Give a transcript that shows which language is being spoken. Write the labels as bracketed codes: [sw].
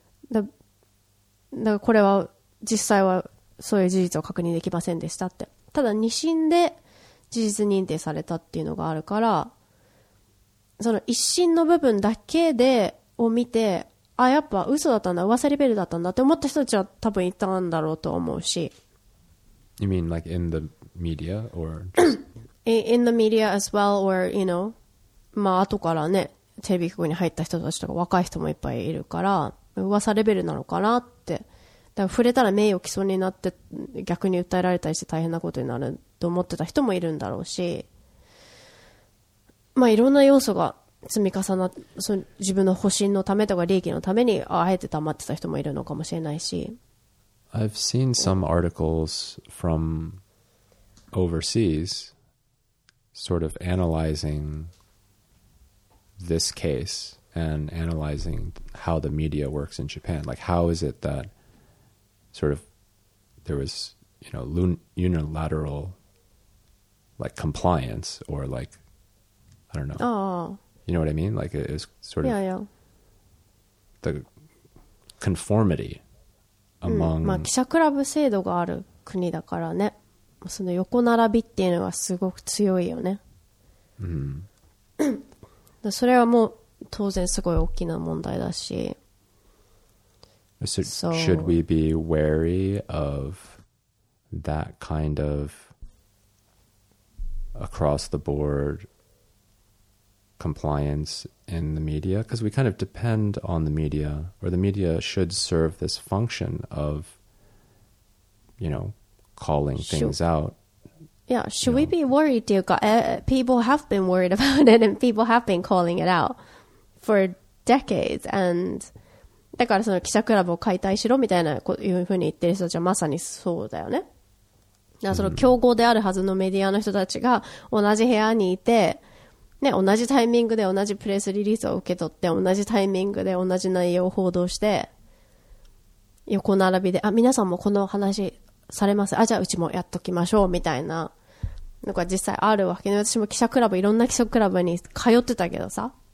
[ja] だからこれは実際はそういう事実を確認できませんでしたって、ただ2審で事実認定されたっていうのがあるから、その1審の部分だけでを見て、あやっぱ嘘だったんだ、噂レベルだったんだって思った人たちは多分いたんだろうと思うし。 [en] You mean like in the media or just... in the media as well or you know、 [ja] まあ後からねテレビ局に入った人たちとか若い人もいっぱいいるから、噂レベルなのかなって、だから触れたら名誉毀損になって逆に訴えられたりして大変なことになると思ってた人もいるんだろうし、まあいろんな要素が積み重なって、その自分の保身のためとか利益のためにあえて黙ってた人もいるのかもしれないし。 [en] I've seen some articles from overseas sort of analyzingthis case and analyzing how the media works in Japan. Like, how is it that sort of there was, you know, unilateral like compliance or like, I don't know. Oh. You know what I mean? Like it is sort of the conformity among... [ja] まあ記者クラブ制度がある国だからね。その横並びっていうのはすごく強いよね。 Mm-hmm. それはもう当然すごい大きな問題だし、 [en] so, should we be wary of that kind of across the board compliance in the media? Because we kind of depend on the media, or the media should serve this function of, you know, calling things out. Yeah, should we be worried? Do you got, people have been worried about it, and people have been calling it out for decades. [ja] And だからその記者クラブを解体しろみたいなこういうふうに言ってる人たちはまさにそうだよね。だその競合であるはずのメディアの人たちが同じ部屋にいて、ね、同じタイミングで同じプレスリリースを受け取って、同じタイミングで同じ内容を報道して、横並びで、あ、皆さんもこの話、されます、あ、じゃあうちもやっときましょうみたいなのが実際あるわけね。私も記者クラブ、いろんな記者クラブに通ってたけどさ、